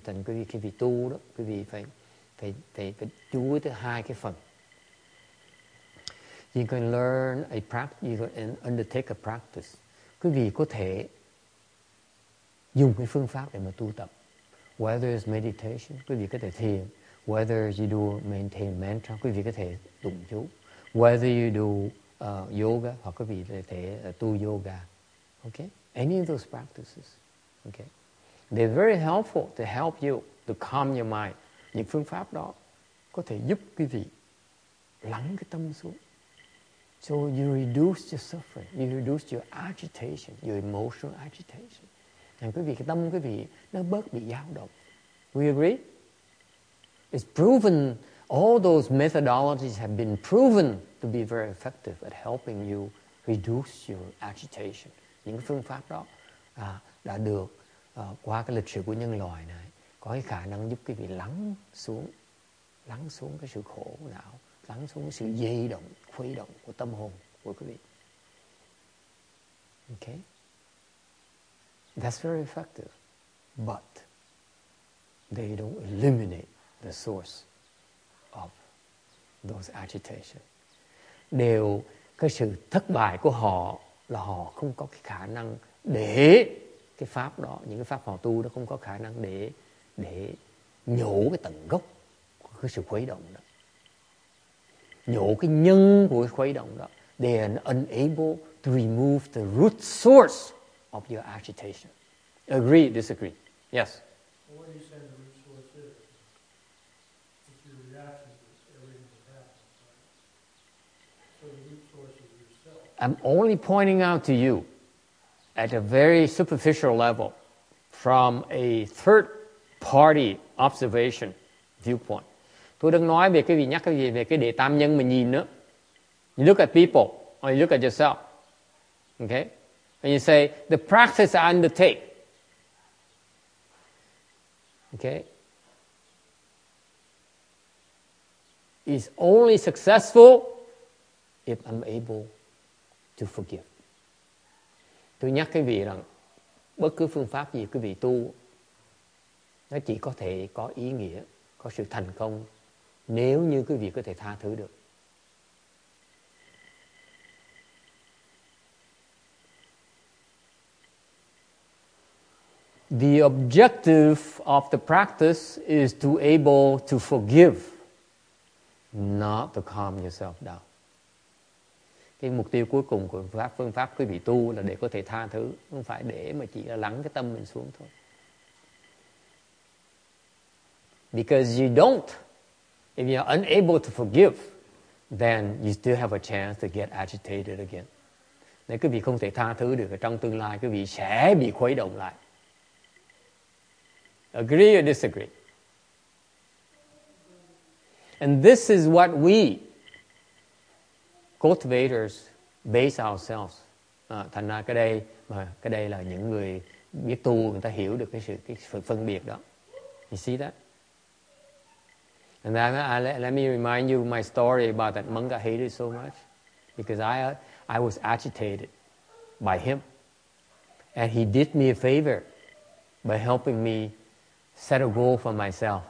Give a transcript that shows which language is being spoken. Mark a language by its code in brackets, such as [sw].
[vi] Thành quý vị khi vị tu đó, quý vị phải chú ý tới hai cái phần. [en] You can learn a practice, you can undertake a practice. [vi] Quý vị có thể dùng cái phương pháp để mà tu tập. [en] Whether it's meditation, [vi] quý vị có thể thiền. [en] Whether you do maintain mantra, [vi] quý vị có thể tụng chú. [en] Whether you do yoga, [vi] hoặc quý vị có thể tu yoga. [en] Okay? Any of those practices. Okay? They're very helpful to help you to calm your mind. [vi] Những phương pháp đó có thể giúp quý vị lắng cái tâm xuống. [en] So you reduce your suffering, you reduce your agitation, your emotional agitation. [vi] And quý vị, cái tâm quý vị nó bớt bị dao động. [en] We agree? It's proven, all those methodologies have been proven to be very effective at helping you reduce your agitation. [vi] Những phương pháp đó đã được qua cái lịch sử của nhân loại này có cái khả năng giúp quý vị lắng xuống cái sự khổ não. Lắng xuống sự dây động, khuấy động của tâm hồn của quý vị. [en] Okay? That's very effective. But they don't eliminate the source of those agitation. [vi] Đều cái sự thất bại của họ là họ không có cái khả năng để cái pháp đó, những cái pháp họ tu nó không có khả năng để nhổ cái tận gốc của cái sự khuấy động đó. Nhổ cái nhân của cái khuấy động đó. [en] They are unable to remove the root source of your agitation. Agree, disagree. Yes. I'm only pointing out to you at a very superficial level from a third party observation viewpoint. [vi] Tôi đang nói về cái gì, nhắc cái gì về cái đề tam nhân mà nhìn đó. [en] You look at people or you look at yourself. Okay? And you say, the practice I undertake. Okay? Is only successful if I'm able to forgive. [vi] Tôi nhắc quý vị rằng bất cứ phương pháp gì quý vị tu nó chỉ có thể có ý nghĩa, có sự thành công nếu như quý vị có thể tha thứ được. [en] The objective of the practice is to able to forgive, not to calm yourself down. [vi] Cái mục tiêu cuối cùng của phương pháp quý vị tu là để có thể tha thứ, không phải để mà chỉ là lắng cái tâm mình xuống thôi. [en] Because you don't, if you are unable to forgive, then you still have a chance to get agitated again. [vi] Nếu quý vị không thể tha thứ được, trong tương lai quý vị sẽ bị khuấy động lại. [en] Agree or disagree? And this is what we cultivators base ourselves. [vi] Thành ra cái đây là những người biết tu, người ta hiểu được cái sự phân biệt đó. [en] You see that? And then let me remind you my story about that monk I hated so much, because I was agitated by him, and he did me a favor by helping me set a goal for myself.